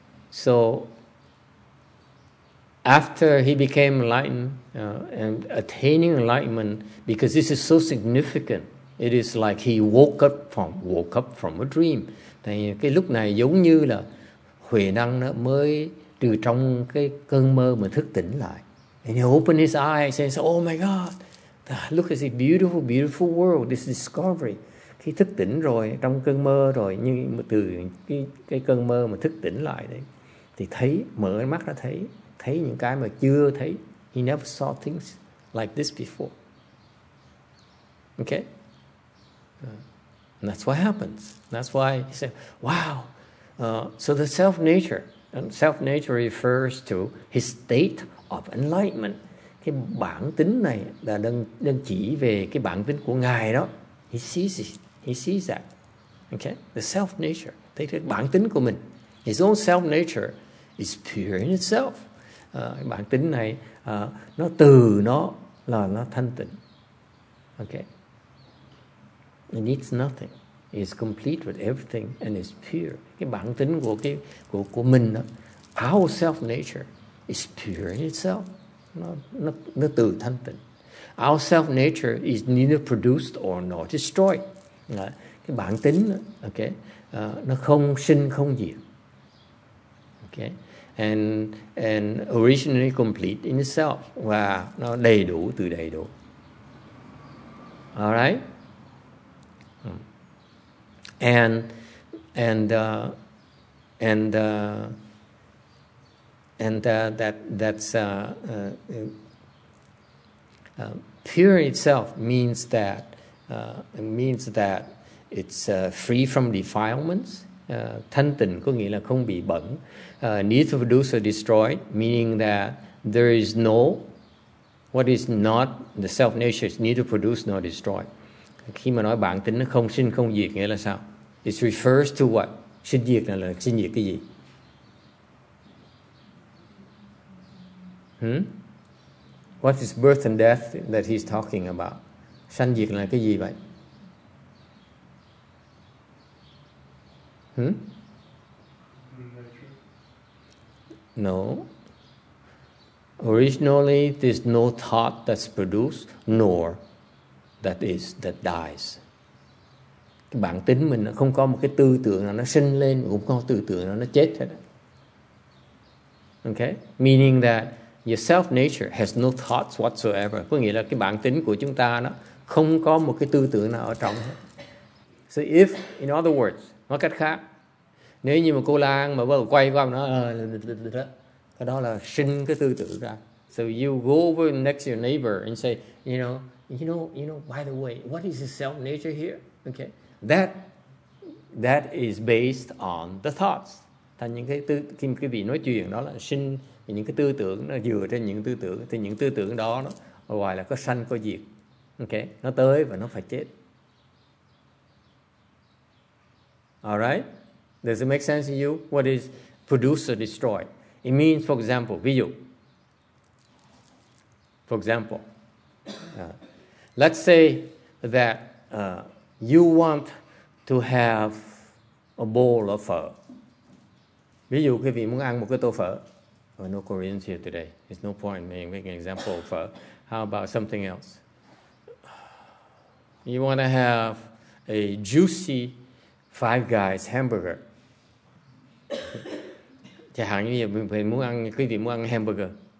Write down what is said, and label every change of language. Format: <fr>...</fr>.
<en>So after he became enlightened and attaining enlightenment, because this is so significant, it is like he woke up from a dream.</en> <vi>Thì cái lúc này giống như là Huệ Năng nó mới từ trong cái cơn mơ mà thức tỉnh lại.</vi> <en>And he opened his eyes and said, oh my God, look at this beautiful, beautiful world, this discovery.</en> <vi>Khi thức tỉnh rồi, trong cơn mơ rồi, nhưng mà từ cái cơn mơ mà thức tỉnh lại đấy, thì thấy, mở mắt ra thấy những cái mà chưa thấy.</vi> <en>He never saw things like this before. Okay? And that's what happens. That's why he said, wow, so the self-nature. And self-nature refers to his state of enlightenment.</en> <vi>Cái bản tính này là đang chỉ về cái bản tính của ngài đó.</vi> <en>He sees it. He sees that. Okay? The self-nature.</en> <vi>Thấy cái bản tính của mình.</vi> <en>His own self-nature is pure in itself.</en> <vi>Bản tính này, nó từ nó là nó thanh tịnh.</vi> <en>Okay? It needs nothing. Is complete with everything and is pure.</en> <vi>Cái bản tính của mình đó,</vi> <en>our self nature is pure in itself.</en> <vi>Nó tự thanh tịnh.</vi> <en>Our self nature is neither produced or nor destroyed.</en> <vi>Là cái bản tính đó, okay, nó không sinh không diệt.</vi> <en>Okay, and originally complete in itself.</en> <vi>Và nó đầy đủ từ đầy đủ.</vi> <en>All right. And that's pure in itself means that it's free from defilements.</en> <vi>Thanh tịnh có nghĩa là không bị bẩn.</vi> <en>Neither produced or destroyed, meaning that there is no, what is not, the self nature is neither produced nor destroyed.</en> <vi>Khi mà nói bản tính nó không sinh không diệt nghĩa là sao?</vi> <en>It refers to what?</en> <vi>Sinh diệt là sinh diệt cái gì?</vi> <en>What is birth and death that he's talking about?</en> <vi>Sanh diệt là cái gì vậy?</vi> <en>No. Originally, there's no thought that's produced, nor that is that dies.</en> <vi>Cái bản tính mình nó không có một cái tư tưởng nào nó sinh lên, cũng không có tư tưởng nào nó chết hết.</vi> <en>Okay, meaning that your self nature has no thoughts whatsoever.</en> <vi>Có nghĩa là cái bản tính của chúng ta nó không có một cái tư tưởng nào ở trong hết.</vi> <en>So if, in other words,</en> <vi>nói cách khác, nếu như mà cô Lan mà bắt đầu quay qua nó, cái đó là sinh cái tư tưởng ra.</vi> <en>So you go over next to your neighbor and say, you know, by the way, what is the self nature here? Okay, that is based on the thoughts.</en> <vi>Thành những cái tư, khi cái vị nói chuyện đó là sinh những cái tư tưởng, nó dựa trên những tư tưởng, thì những tư tưởng đó nó ngoài là có sanh có diệt. Okay, nó tới và nó phải chết.</vi> <en>All right, does it make sense to you? What is produced or destroyed? It means, for example,</en> <vi>ví dụ.</vi> <en>For example, let's say that you want to have a bowl of pho.</en> <vi>Ví dụ quý vị muốn ăn một cái tô phở.</vi> <en>Oh, no Koreans here today. There's no point in me making an example of pho. How about something else? You want to have a juicy Five Guys hamburger.</en> <vi>Chẳng hạn như quý vị muốn ăn hamburger.</vi>